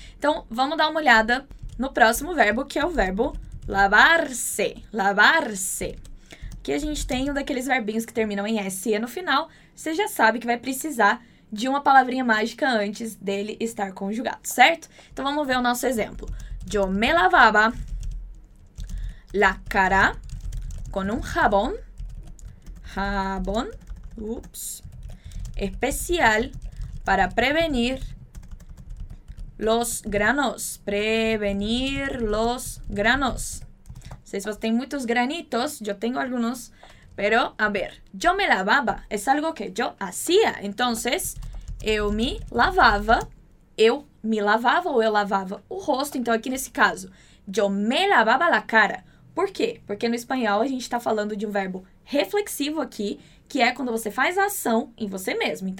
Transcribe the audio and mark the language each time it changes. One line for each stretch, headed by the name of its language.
Portuguese: Então, vamos dar uma olhada no próximo verbo, que é o verbo lavar-se. Lavar-se. Aqui a gente tem um daqueles verbinhos que terminam em SE no final. Você já sabe que vai precisar de uma palavrinha mágica antes dele estar conjugado, certo? Então, vamos ver o nosso exemplo.
Spanish: Yo me lavaba la cara con un jabón. Jabón. Ups. Especial para prevenir los granos, prevenir los granos. Si vos tenés muchos granitos, yo tengo algunos, pero a ver, yo me lavaba, es algo que yo hacía. Entonces,
Portuguese: eu me lavava ou eu lavava o rosto. Então, aquí nesse caso,
Spanish: yo me lavaba la cara.
Portuguese: Por quê? Porque no espanhol a gente está falando de um verbo reflexivo aqui, que é quando você faz a ação em você mesmo.